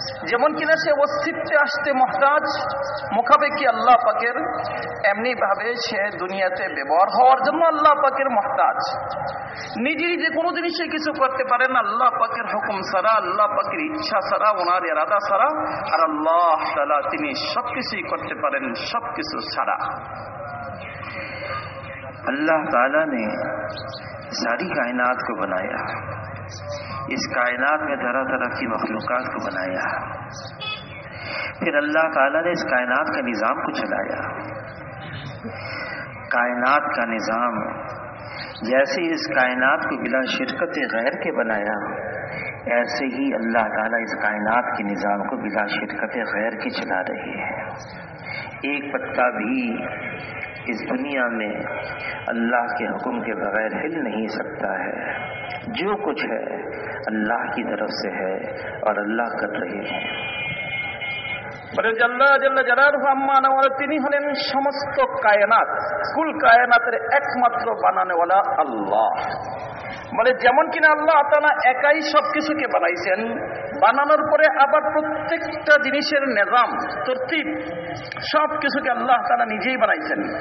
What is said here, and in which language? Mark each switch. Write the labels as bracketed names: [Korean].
[Bangla] যেমন কিনা সে অস্তিত্বে আসতে মহতাজ মুখাপেক্ষি আল্লাহ পাকের, এমনি ভাবে সে দুনিয়াতে ব্যবহার হওয়ার জন্য আল্লাহ পাকের মহতাজ। নিজে নিজে কোনো জিনিসে কিছু করতে পারে না, আল্লাহ পাকের হুকুম সারা, আল্লাহ পাকের ইচ্ছা সারা, ওনার ইরাদা সারা, আর আল্লাহ তাআলা তিনি সব কিছুই করতে পারেন সব কিছু সারা। [Urdu] আল্লাহ তাআলা নে সারি কায়নাত কো বানায়া, اس کائنات میں طرح طرح کی مخلوقات کو بنایا, پھر اللہ تعالیٰ نے اس کائنات کا نظام کو چلایا۔ کائنات کا نظام جیسے اس کائنات کو بلا شرکت غیر کے بنایا, ایسے ہی اللہ تعالیٰ اس کائنات کے نظام کو بلا شرکت غیر کے چلا رہے ہیں۔ ایک پتہ بھی اس دنیا میں اللہ کے حکم کے بغیر ہل نہیں سکتا ہے, جو کچھ ہے اللہ کی طرف سے ہے اور اللہ کر رہے ہیں۔ [Bangla] বলে আল্লাহ জাল্লা জালালুহু আম্মা নাওয়ালা, তিনি হলেন সমস্ত কায়নাত কুল কায়নাতের একমাত্র বানানেওয়ালা আল্লাহ। বলে যেমন কিনা আল্লাহ তাআলা একাই সব কিছুকে বানাইছেন, বানানোর পরে আবার প্রত্যেকটা জিনিসের নিজাম তরতিব সব কিছুকে আল্লাহ তাআলা নিজেই বানাইছেন।